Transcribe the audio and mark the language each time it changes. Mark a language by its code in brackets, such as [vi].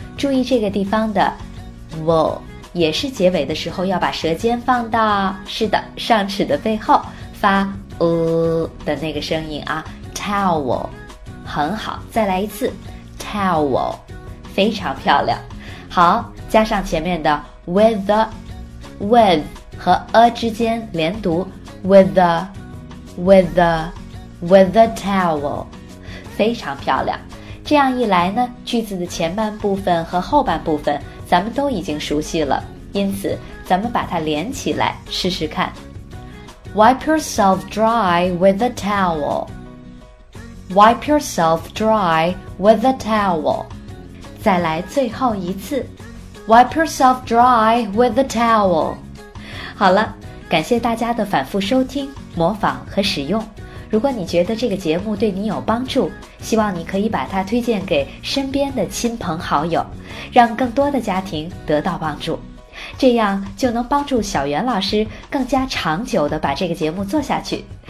[zh] 注意这个地方的 w 也是结尾的时候要把舌尖放到，是的，上齿的背后发的那个声音啊， towel， 很好。再来一次， towel， 非常漂亮。好，加上前面的 with a， with 和 a 之间连读， [en] with a， with a， with a towel， [zh] 非常漂亮。这样一来呢，句子的前半部分和后半部分咱们都已经熟悉了，因此咱们把它连起来试试看。 [en] Wipe yourself dry with a towel. Wipe yourself dry with a towel. [zh] 再来最后一次。 [en] Wipe yourself dry with a towel. [zh] 好了，感谢大家的反复收听、模仿和使用。如果你觉得这个节目对你有帮助，希望你可以把它推荐给身边的亲朋好友，让更多的家庭得到帮助。这样就能帮助小袁老师更加长久地把这个节目做下去。